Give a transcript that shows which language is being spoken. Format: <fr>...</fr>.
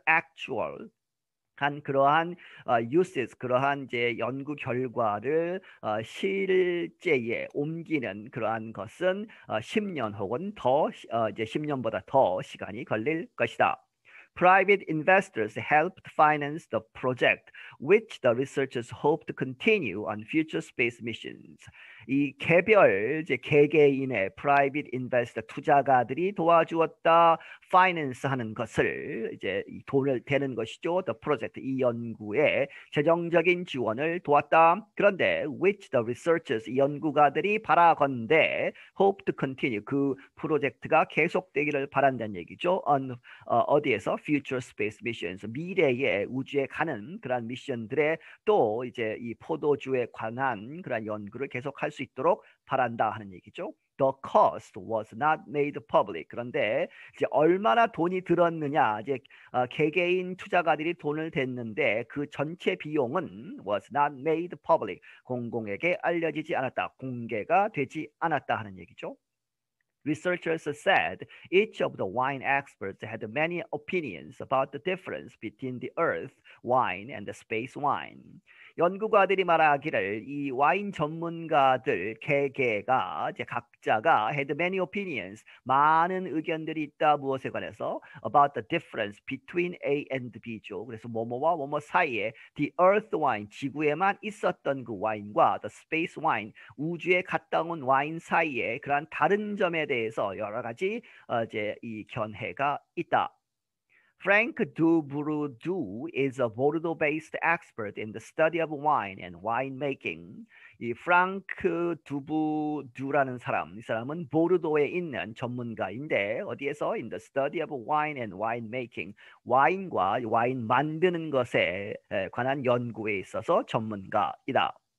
<ko>actual 한 그러한 uses, 그러한 이제 연구 결과를 실제에 옮기는 그러한 것은 10년 혹은 더 이제 10년보다 더 시간이 걸릴 것이다.</ko> <en>Private investors helped finance the project, which the researchers hope to continue on future space missions.</en> <ko>이 개별, 이제 개개인의 private investor 투자가들이 도와주었다, finance 하는 것을, 이제 돈을 대는 것이죠.</ko> <en>The project,</en> <ko>이 연구에 재정적인 지원을 도왔다. 그런데,</ko> <en>which the researchers,</en> <ko>연구가들이 바라건대,</ko> <en>hope to continue,</en> <ko>그 프로젝트가 계속되기를 바란다는 얘기죠. On, 어디에서?</ko> <en>Future space missions,</en> <ko>미래의 우주에 가는 그런 미션들에 또 이제 이 포도주에 관한 그런 연구를 계속할 수 있도록 바란다 하는 얘기죠.</ko> <en>The cost was not made public.</en> <ko>그런데 이제 얼마나 돈이 들었느냐, 이제 개개인 투자가들이 돈을 댔는데 그 전체 비용은</ko> <en>was not made public.</en> <ko>공공에게 알려지지 않았다, 공개가 되지 않았다 하는 얘기죠.</ko> <en>Researchers said each of the wine experts had many opinions about the difference between the earth wine and the space wine.</en> <ko>연구가들이 말하기를 이 와인 전문가들 개개가 이제 각자가</ko> <en>had many opinions,</en> <ko>많은 의견들이 있다, 무엇에 관해서?</ko> <en>About the difference between A and B</en> <ko>죠. 그래서 뭐뭐와 뭐뭐 사이에</ko> <en>the earth wine,</en> <ko>지구에만 있었던 그 와인과</ko> <en>the space wine,</en> <ko>우주에 갔다 온 와인 사이에 그러한 다른 점에 대해서 여러 가지 이제 이 견해가 있다.</ko> <en>Frank Dubrudu is a Bordeaux-based expert in the study of wine and winemaking.</en> <ko>이 프랑크 두부두라는 사람, 이 사람은 보르도에 있는 전문가인데 어디에서?</ko> <en>In the study of wine and winemaking.</en> <ko>와인과 와인 만드는 것에 관한 연구에 있어서 전문가이다.</ko>